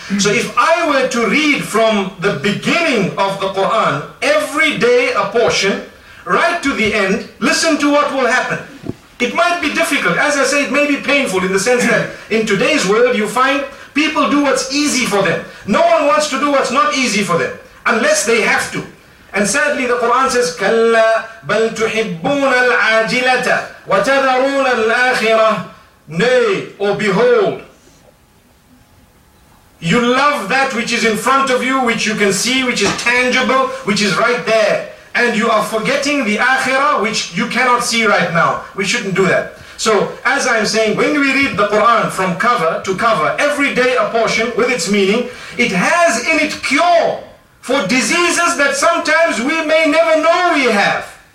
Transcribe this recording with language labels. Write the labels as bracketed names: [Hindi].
[English] So if I were to read from the beginning of the Quran, every day a portion, right to the end, listen to what will happen. It might be difficult. As I say, it may be painful in the sense that in today's world, you find people do what's easy for them. No one wants to do what's not easy for them. Unless they have to. And sadly the Quran says, [Arabic] كَلَّا بَلْ تُحِبُّونَ الْعَاجِلَةَ وَتَذَرُونَ الْآخِرَةَ. [English] Nay, or behold, you love that which is in front of you, which you can see, which is tangible, which is right there. And you are forgetting the Akhirah, which you cannot see right now. We shouldn't do that. So, as I am saying, when we read the Quran from cover to cover, every day a portion with its meaning, it has in it cure for diseases that sometimes we may never know we have.